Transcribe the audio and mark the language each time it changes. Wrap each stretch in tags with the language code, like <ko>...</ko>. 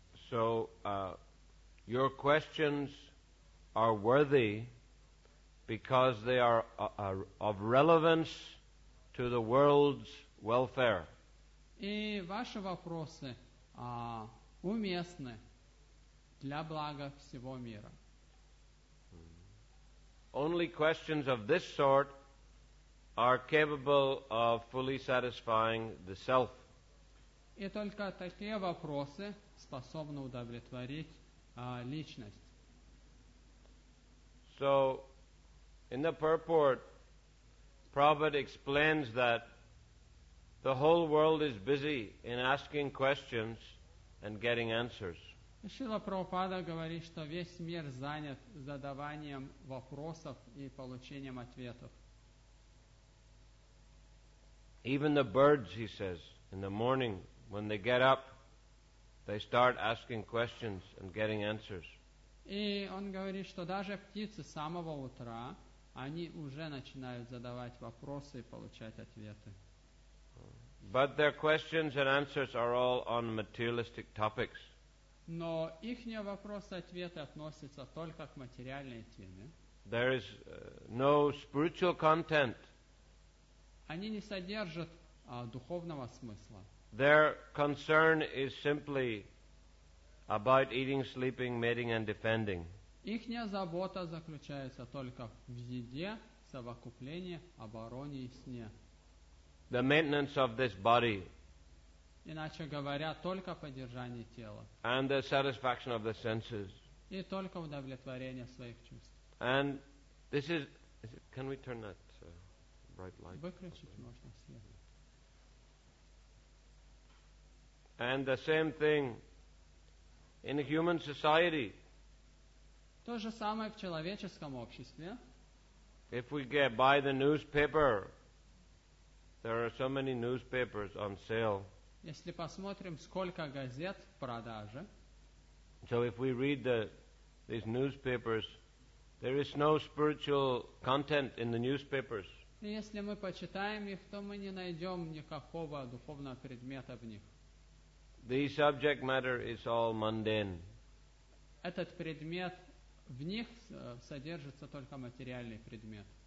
<en>So, your questions are worthy because they are of relevance to the world's welfare.</en> <ru>И ваши вопросы уместны для блага всего мира.</ru> <en>Only questions of this sort are capable of fully satisfying the self.</en> <ru>И только такие вопросы способны удовлетворить личность.</ru> <en>So, in the purport, Prabhupada explains that the whole world is busy in asking questions and getting answers.</en> <ru>Шрила Прабхупада говорит, что весь мир занят задаванием вопросов и получением ответов.</ru> <en>Even the birds, he says, in the morning, when they get up, they start asking questions and getting answers.</en> <ru>И он говорит, что даже птицы с самого утра, они уже начинают задавать вопросы и получать ответы.</ru> <en>But their questions and answers are all on materialistic topics.</en> <ru>Но ихние вопросы-ответы относятся только к материальной теме.</ru> <en>There is no spiritual content.</en> <ru>Они не содержат духовного смысла.</ru> <en>Their concern is simply about eating, sleeping, mating and defending.</en> <ru>Ихняя забота заключается только в еде, совокуплении, обороне и сне.</ru> <en>The maintenance of this body.</en> <ru>Иначе говоря, только поддержание тела.</ru> <en>And the satisfaction of the senses.</en> <ru>И только удовлетворение своих чувств.</ru> <en>And this is... Can we turn that bright light?</en> <ru>Выключить можно свет.</ru> <en>And the same thing in a human society.</en> <ru>То же самое в человеческом обществе.</ru> <en>If we get by the newspaper, there are so many newspapers on sale.</en> <ru>Если посмотрим, сколько газет в продаже.</ru> <en>So if we read these newspapers, there is no spiritual content in the newspapers.</en> <ru>Если мы почитаем их, то мы не найдем никакого духовного предмета в них.</ru> <en>The subject matter is all mundane.</en> <ru>Этот предмет в них содержится только материальный предмет.</ru>